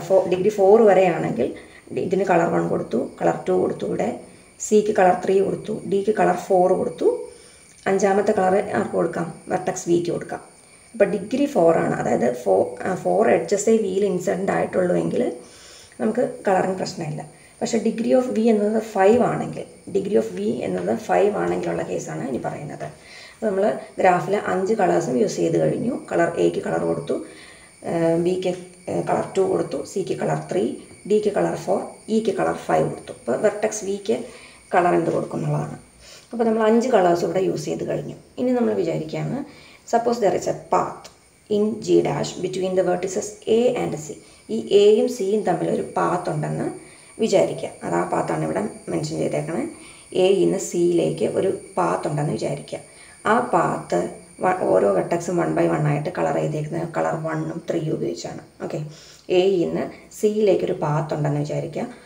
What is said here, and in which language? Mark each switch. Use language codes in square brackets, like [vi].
[ml] Degree four വരെയാണെങ്കിൽ ഇതിന് colour one കൊടുത്തു colour to കൊടുത്തു ഇവിടെ സിക്ക് കളർ ത്രീ കൊടുത്തു ഡിക്ക് കളർ ഫോർ കൊടുത്തു അഞ്ചാമത്തെ കളർ ആർക്ക് കൊടുക്കാം വെർട്ടെക്സ് വിക്ക് കൊടുക്കാം അപ്പോൾ ഡിഗ്രി ഫോറാണ് അതായത് ഫോർ എഡ്ജസ്സേ വിയിൽ ഇൻസെർട്ട് ആയിട്ടുള്ളൂവെങ്കിൽ നമുക്ക് കളറിങ് പ്രശ്നമില്ല പക്ഷേ ഡിഗ്രി ഓഫ് വി എന്നത് ഫൈവ് ആണെങ്കിൽ ഡിഗ്രി ഓഫ് വി എന്നത് ഫൈവ് ആണെങ്കിലുള്ള കേസാണ് ഇനി പറയുന്നത് അപ്പോൾ നമ്മൾ ഗ്രാഫിൽ അഞ്ച് കളേഴ്സും യൂസ് ചെയ്ത് കഴിഞ്ഞു കളർ എയ്ക്ക് കളർ കൊടുത്തു ബിക്ക് കളർ ടു കൊടുത്തു സിക്ക് കളർ ത്രീ ഡിക്ക് കളർ ഫോർ ഇക്ക് കളർ ഫൈവ് കൊടുത്തു അപ്പോൾ വെർട്ടെക്സ് വിക്ക് കളർ എന്ത് കൊടുക്കും എന്നുള്ളതാണ് അപ്പോൾ നമ്മൾ അഞ്ച് കളേഴ്സ് ഇവിടെ യൂസ് ചെയ്ത് കഴിഞ്ഞു ഇനി നമ്മൾ വിചാരിക്കുകയാണ് [en] Suppose there is a path in G dash between the vertices A and C. [ml] ഈ A യും C യും തമ്മിൽ ഒരു പാത്ത് ഉണ്ടെന്ന് വിചാരിക്കുക. അത് ആ പാത്താണ് ഇവിടെ മെൻഷൻ ചെയ്തേക്കുന്നത്. A ഇന്ന് C യിലേക്ക് ഒരു പാത്ത് ഉണ്ടെന്ന് വിചാരിക്കുക. ആ പാത്ത് ഓരോ വെർട്ടെക്സും 1/1 ആയിട്ട് കളർ ചെയ്തേക്കുന്നത് കളർ 1 3 ഉപയോഗിച്ചാണ്. ഓക്കെ, A ഇന്ന് C യിലേക്ക് ഒരു പാത്ത് ഉണ്ടെന്ന് വിചാരിക്കുക.